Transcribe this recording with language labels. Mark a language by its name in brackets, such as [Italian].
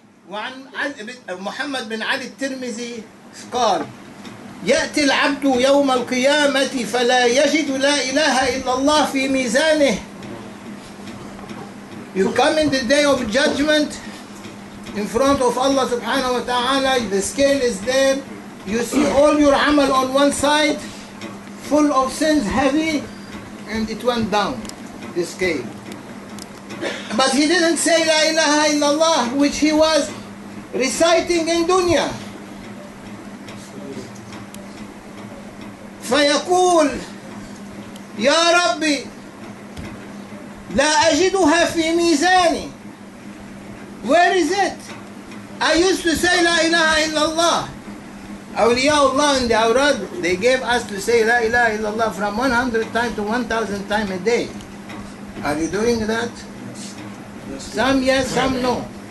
[Arabic] وعن محمد بن علي الترمذي قال يأتي العبد يوم القيامة فلا يجد لا إله إلا الله في ميزانه. [English] You come in the day of judgment in front of Allah subhanahu wa ta'ala, the scale is there, you see all your amal on one side full of sins, heavy, and it went down, the scale. But he didn't say La ilaha illallah, which he was reciting in dunya. [Arabic] فيقول يا ربي لا أجدها في ميزاني. [English] Where is it? I used to say [Arabic] لا إله إلا الله. [English] أولياء الله in the أوراد, they gave us to say [Arabic] لا إله إلا الله [English] from 100 times to 1000 times a day. Are you doing that? Yes. Some yes, some no.